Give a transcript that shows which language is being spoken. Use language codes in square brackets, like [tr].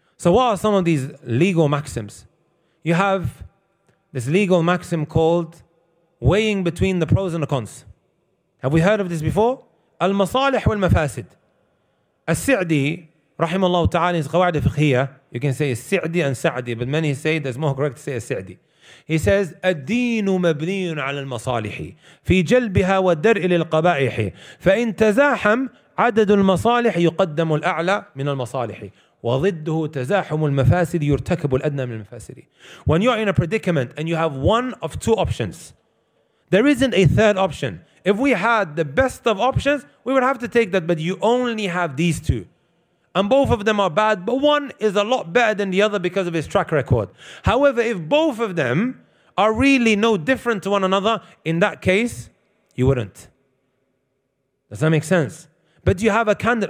[en] So what are some of these legal maxims? You have this legal maxim called weighing between the pros and the cons. Have we heard of this before? Al-Masalih wal-Mafasid. Al-Si'di, rahimahullah ta'ala, is qawa'id al-fiqhiyya. You can say Al-Si'di and Sa'di, but many say that it's more correct to say Al-Si'di. He says, [ar] الدين مبني على المصالح في جلبها والدرء للقبائح فإن تزاحم عدد المصالح يقدم الأعلى من المصالح وضده تزاحم المفاسد يرتكب الأدنى من المفاسد. [en] When you're in a predicament and you have one of two options, there isn't a third option. If we had the best of options, we would have to take that, but you only have these two. And both of them are bad, but one is a lot better than the other because of his track record. However, if both of them are really no different to one another, in that case, you wouldn't. Does that make sense? But you have a candidate.